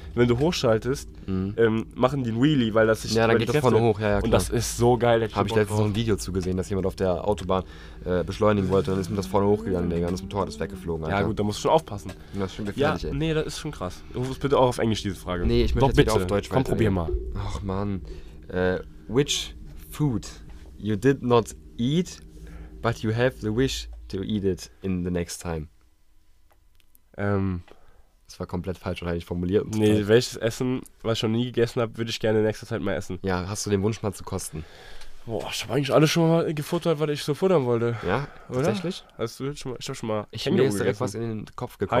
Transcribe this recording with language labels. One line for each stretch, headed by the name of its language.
German: Wenn du hochschaltest, machen die ein Wheelie, weil das sich. Ja, dann geht das vorne hoch. Ja, ja, klar. Und das ist so geil. Habe ich letztens so ein Video zugesehen, dass jemand auf der Autobahn beschleunigen wollte. Dann ist mir das vorne hochgegangen, Digga. Und das Motorrad ist weggeflogen. Alter. Ja, gut, da musst du schon aufpassen. Das ist schon gefährlich, ja, ey. Nee, das ist schon krass. Ruf es bitte auch auf Englisch, diese Frage. Nee, ich möchte bitte auf Deutsch sprechen. Komm, probier mal. Ach, Mann.
English: Which food you did not eat, but you have the wish to eat it in the next time?
German: Das war komplett falsch, oder habe ich formuliert? Nee, welches Essen, was ich noch nie gegessen habe, würde ich gerne in nächster Zeit mal essen. Ja, hast du den Wunsch mal zu kosten? Boah, ich habe eigentlich alles schon mal gefuttert, was ich so futtern wollte. Ja, oder? Tatsächlich? Hast du schon mal, ich habe schon mal ich Känguru mir ist direkt gegessen. Was in den Kopf gekommen.